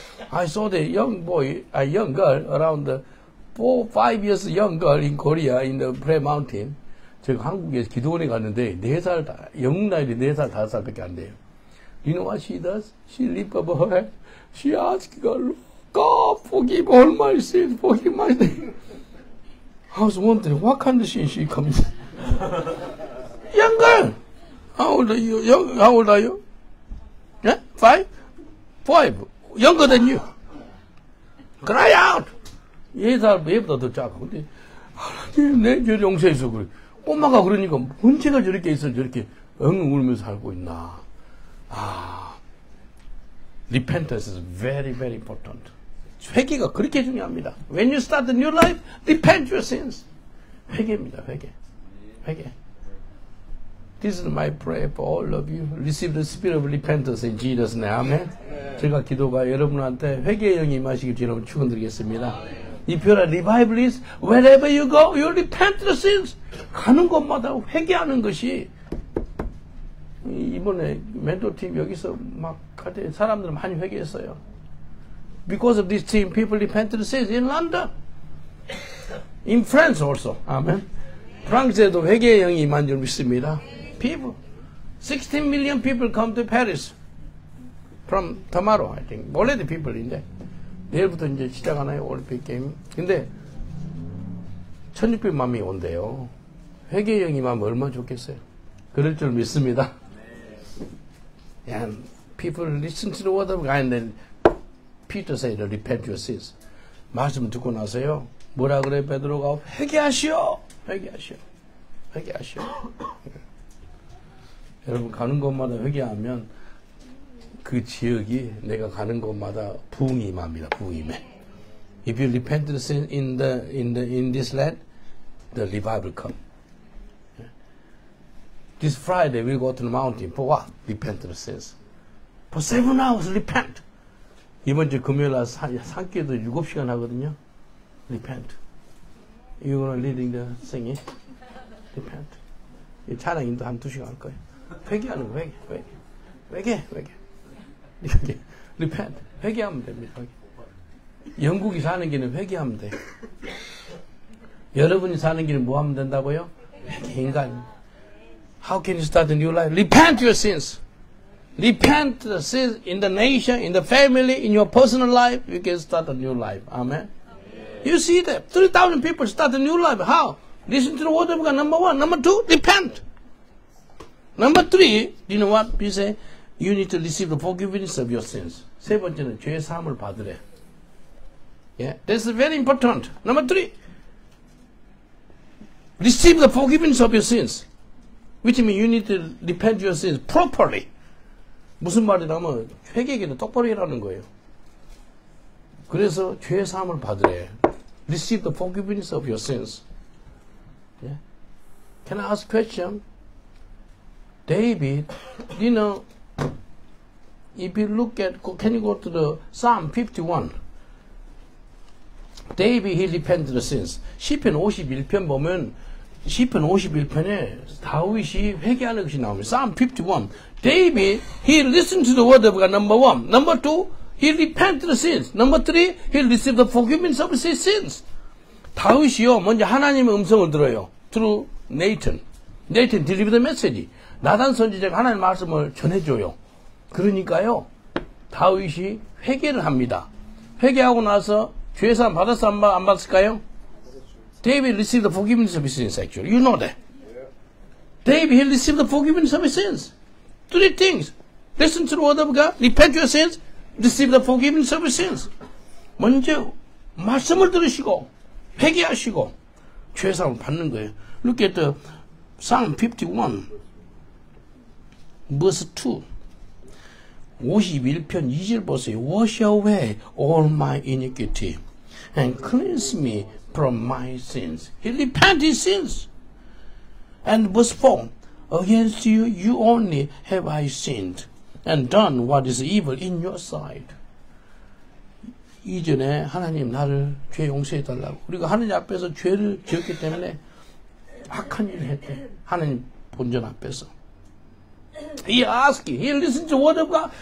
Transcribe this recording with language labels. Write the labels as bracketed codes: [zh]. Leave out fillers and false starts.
[en] I saw the young boy, a young girl, around the 4-5 years young girl in Korea, in the Prayer Mountain. [ko] 제가 한국에 기도원에 갔는데, 4살, 영국 나이 4살, 5살밖에 안 돼요. [en] You know what she does? She lift up her head. She asks God, God, forgive all my sins, forgive my sins. I was wondering, what kind of sin she comes? Young girl! How old are you? Young, how old are you? Yeah? Five? Five. Younger than you. Cry out! [ko] 4살, 얘보다 더 작아. 근데, 하나님, 내 죄를 용서해서 그래. 엄마가 그러니까, 문제가 저렇게 있어, 저렇게, 응, 울면서 살고 있나. [en] 아, repentance is very, very important. [ko] 회개가 그렇게 중요합니다. [en] When you start the new life, repent your sins. [ko] 회개입니다, 회개. 회개. [en] This is my prayer for all of you. Receive the spirit of repentance in Jesus' name. Amen. [ko] 제가 기도가 여러분한테 회개의 영이 임하시길 여러분 축원드리겠습니다. [en] If you're a revivalist, wherever you go, you repent the sins. [ko] 가는 곳마다 회개하는 것이 이번에 멘토 팀 여기서 막 갈 때 사람들 많이 회개했어요. [en] Because of this team, people repent the sins in London, in France also. Amen. [ko] 프랑스에도 회개의 영이 임한 줄 믿습니다. [en] People, 16 million people come to Paris from tomorrow. I think already people in there. [ko] 내일부터 이제 시작하나요? 올림픽 게임. 근데 1600만 명이 온대요. 회개의 영이 임하면 얼마나 좋겠어요. 그럴 줄 믿습니다. [en] And people listen to the word of God and then Peter said, repent your sins. [ko] 말씀 듣고 나서요. 뭐라 그래 베드로가? 회개하시오. 회개하시오. 회개하시오. 여러분 가는 곳마다 회개하면 그 지역이 내가 가는 곳마다 부흥이 임합니다. 부흥이 임해. [en] If you repent in this land, the revival come. This Friday we go to the mountain for what? Repentance says. For 7 hours, repent. [ko] 이번 주 금요일 날 산기도 7시간 하거든요. [en] Repent. You gonna leading the singing? Repent. [ko] 이 찬양인도 한 2시간 할 거예요. 회개하는 거 회개, 회개, 회개, 회개. 이렇게 repent 회개하면 됩니다. 회개. 영국이 사는 길은 회개하면 돼. 여러분이 사는 길은 뭐 하면 된다고요? 회개 인간. [en] How can you start a new life? Repent your sins. Repent the sins in the nation, in the family, in your personal life. You can start a new life. Amen. You see that 3,000 people start a new life. How? Listen to the word of God. Number one. Number two. Repent. Number three. You know what? You say. You need to receive the forgiveness of your sins. [ko] 세 번째는 죄의 사함을 받으래. [en] Yeah, that's very important. Number three. Receive the forgiveness of your sins. Which means you need to repent your sins properly. [ko] 무슨 말이냐면 회개기는 똑바로 하라는 거예요. 그래서 죄의 사함을 받으래. [en] Receive the forgiveness of your sins. Yeah. Can I ask a question? David, you know, if you look at, can you go to the Psalm 51? David, he repented the sins. [ko] 시편 51편 보면, 시편 51편에 다윗이 회개하는 것이 나옵니다. [en] Psalm 51. David, he listened to the word of God, number one. Number two, he repented the sins. Number three, he received the forgiveness of his sins. [ko] 다윗이요, 먼저 하나님의 음성을 들어요. [en] Through Nathan. Nathan delivered the message. [ko] 나단 선지자가 하나님의 말씀을 전해줘요. 그러니까요, 다윗이 회개를 합니다. 회개하고 나서 죄사함 받았어 안 받았을까요? [en] David received the forgiveness of his sins actually. You know that. David, he received the forgiveness of his sins. Three things. Listen to the word of God. Repent your sins. Receive the forgiveness of his sins. [ko] 먼저 말씀을 들으시고 회개하시고 죄사함을 받는 거예요. [en] Look at the Psalm 51 verse 2. [ko] 51편 2절 보세요. [en] Wash away all my iniquity and cleanse me from my sins. He repented his sins. And verse 4. Against you, you only have I sinned and done what is evil in your sight. [ko] 이전에 하나님 나를 죄 용서해 달라고. 그리고 하나님 앞에서 죄를 지었기 때문에 악한 일을 했대. 하나님 본전 앞에서. [en] He asked, he listened to the word of God.